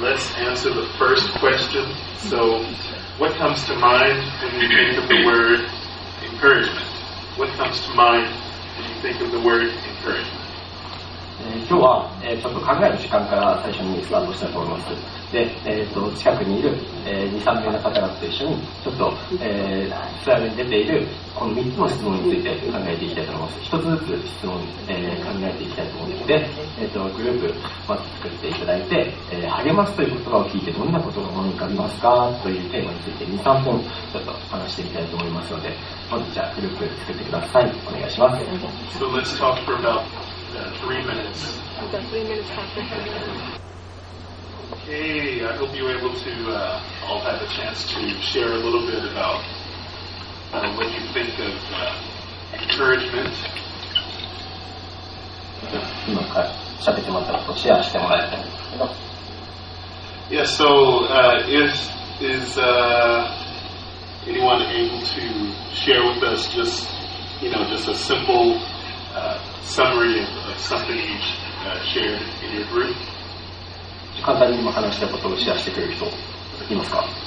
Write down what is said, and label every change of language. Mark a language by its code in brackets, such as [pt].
[en] Let's answer the first question. So, what comes to mind when you think of the word encouragement? What comes to mind when you think of the word encouragement? [ja] 今日は、ちょっと考える時間から最初にスタートしたいと思います。で、近くにいる、2、3名の方々と一緒にちょっと、スライドに出ているこの3つの質問について考えていきたいと思います。 1つずつ質問、考えていきたいと思うので、グループを作っていただいて、励ますという言葉を聞いてどんなことが思い浮かびますかというテーマについて 2、3 本ちょっと話していきたいと思いますので、まずじゃあグループ作ってください。お願いします。 [en] So let's talk for aboutOkay, I hope you're able to all have a chance to share a little bit about what you think of encouragement. [ja] 今から喋ってもらったことをシェアしてもらいたいんですけど。 [en] Yeah, so is anyone able to share with us just, you know, just a simple summary of something each shared in your group? [ja] 簡単に今話したことをシェアしてくれる人いますか。